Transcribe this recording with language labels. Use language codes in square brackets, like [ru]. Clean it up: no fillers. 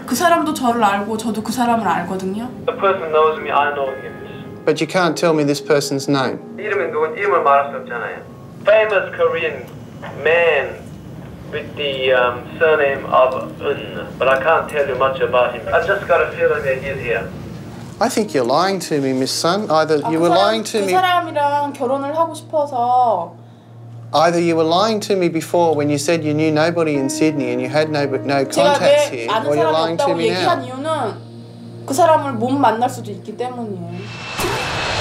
[ko] 그 사람도 저를 알고 저도 그 사람을 알거든요. [en] The person knows me, I know him. But you can't tell me this person's name. [ko] 이름이 누군지 이름을 말할 수 없잖아요. [en] Famous Korean man with the surname of Un. But I can't tell you much about him. I just got a feeling that he's here. I think you're lying to me, Miss Sun. Either you were lying to me. [ko] 그 사람이랑 결혼을 하고 싶어서. [en] Either you were lying to me before when you said you knew nobody in Sydney and you had no contacts here, or you're lying to me now. [ko] 얘기한 이유는 그 사람을 못 만날 수도 있기 때문이에요.